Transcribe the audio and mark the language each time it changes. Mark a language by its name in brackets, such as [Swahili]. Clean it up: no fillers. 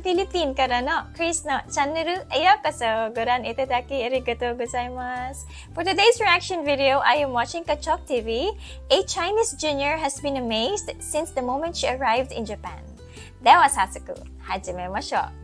[Japanese] フィリピンからのクリスのチャンネルへようこそ。ご覧いただきありがとうございます。 [English] For today's reaction video, I am watching Kachok TV. A Chinese junior has been amazed since the moment she arrived in Japan. [Japanese] では早速、始めましょう。